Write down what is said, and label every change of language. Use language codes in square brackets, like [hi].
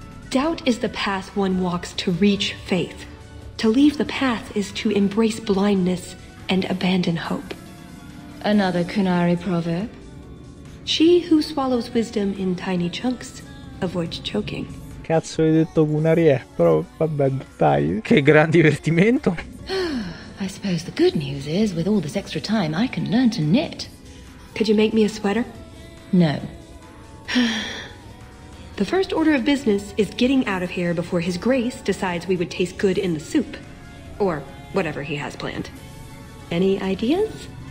[en] Doubt is the path one walks to reach faith. To leave the path is to embrace blindness and abandon hope. Another Qunari proverb? She who swallows wisdom in tiny chunks avoids choking. [it] Cazzo, hai detto Qunari è, però vabbè, dai. Che gran divertimento. [en] I suppose the good news is, with all this extra time, I can learn to knit. Could you make me a sweater? No. The first order of business is getting out of here before His Grace decides we would taste good in the soup. Or whatever he has planned. Any ideas?